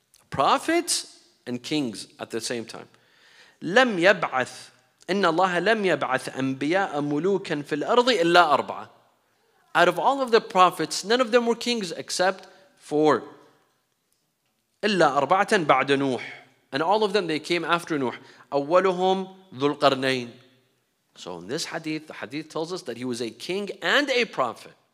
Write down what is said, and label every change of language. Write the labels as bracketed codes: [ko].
[en] Prophets and kings at the same time. [ar] لم يبعث إن الله لم يبعث أنبياء ملوكا في الأرض إلا أربعة. [en] Out of all of the prophets, none of them were kings except four. [ar] إلا أربعة بعد نوح. [en] And all of them, they came after Nuh. [ar] أولهم ذو القرنين. [en] So in this hadith, the hadith tells us that he was a king and a prophet.